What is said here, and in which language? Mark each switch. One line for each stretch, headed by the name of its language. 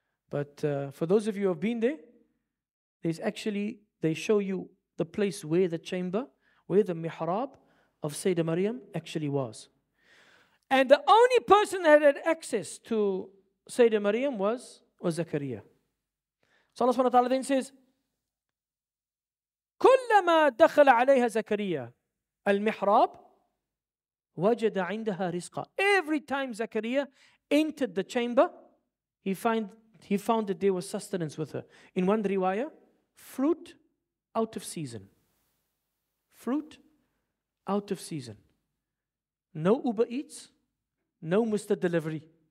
English: But for those of you who have been there, there's actually, they show you the place where the chamber, where the mihrab of Sayyidah Maryam actually was. And the only person that had access to Sayyidah Maryam was Zakariya. So Allah subhanahu wa ta'ala then says,
Arabic: كُلَّمَا دَخَلَ عَلَيْهَا زَكَرِيَا الْمِحْرَابِ وَجَدَ عِنْدَهَا رِزْقًا.
English: Every time Zakariya entered the chamber, he found that there was sustenance with her. In one riwayah, fruit out of season. Fruit out of season. No Uber Eats, no Mr. Delivery.